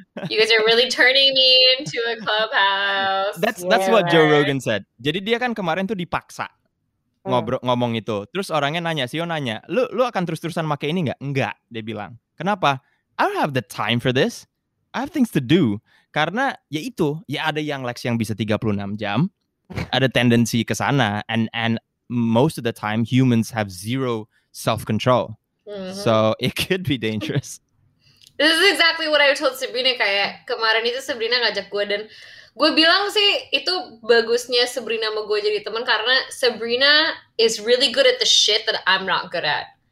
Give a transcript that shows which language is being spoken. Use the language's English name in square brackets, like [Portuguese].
[English] You guys are really turning me into a clubhouse. That's what Joe Rogan said. [Indonesian] Jadi dia kan kemarin tuh dipaksa. Ngobrol ngomong itu. Terus orangnya nanya, CEO nanya, lu akan terus-terusan pakai ini enggak? Enggak, dia bilang. Kenapa? [English] I don't have the time for this. I have things to do. [Indonesian] Karena ya itu, ya ada yang Lex yang bisa 36 jam. Ada tendensi ke sana [English] and most of the time humans have zero self-control. Mm-hmm. So it could be dangerous. This is exactly what I told Sabrina [Indonesian] kayak kemarin itu Sabrina ngajak gue dan gue bilang sih itu bagusnya Sabrina sama gue jadi teman karena Sabrina [English] is really good at the shit that I'm not good at.